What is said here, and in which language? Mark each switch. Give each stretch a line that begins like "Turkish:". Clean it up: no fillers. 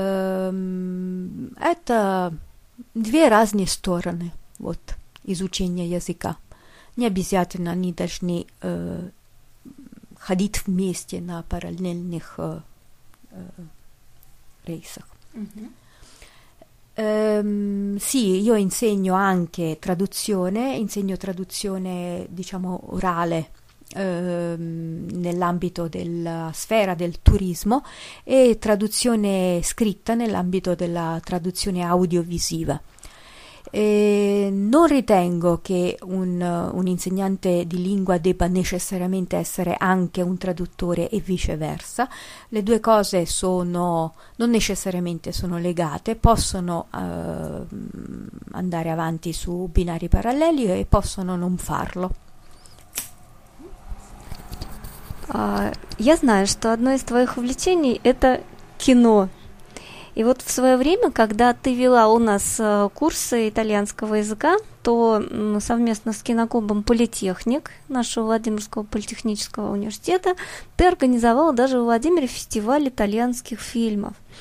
Russian: Это две разные стороны вот, изучения языка. Не обязательно они должны ходить вместе на параллельных рейсах.
Italian: Sì, io insegno anche traduzione, insegno traduzione, diciamo, orale nell'ambito della sfera del turismo e traduzione scritta nell'ambito della traduzione audiovisiva. E non ritengo che un insegnante di lingua debba necessariamente essere anche un traduttore e viceversa. Le due cose sono non necessariamente sono legate, possono andare avanti su binari paralleli e possono non farlo.
Russian: Я знаю, что одно из твоих увлечений это кино. И вот в свое время, когда ты вела у нас курсы итальянского языка, то совместно с киноклубом «Политехник» нашего Владимирского политехнического университета ты организовала даже в Владимире фестиваль итальянских фильмов.